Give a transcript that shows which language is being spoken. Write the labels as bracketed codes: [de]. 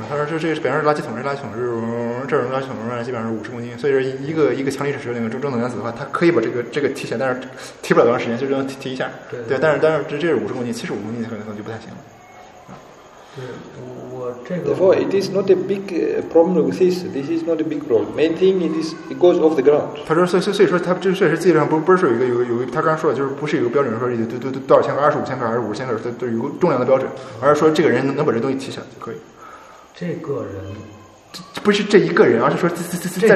[zh] 他说这个是本身是垃圾桶，这垃圾桶是这种垃圾桶，基本上是50公斤。所以说一个强力水手那个正等男子的话，他可以把这个提起来，但是提不了多长时间，就只能提一下。对，但是这是50公斤，75公斤可能就不太行了。对，我这个。 [en] Therefore, it is not a big problem with this. This is not a big problem. Main thing, it goes off the ground. [zh] 他说，所以说，他这确实技术上不是说有一个，他刚刚说的就是不是有一个标准说多少千克，25千克还是50千克，都有个重量的标准，而是说这个人能把这东西提起来就可以。这个人，不是这一个人，而是说这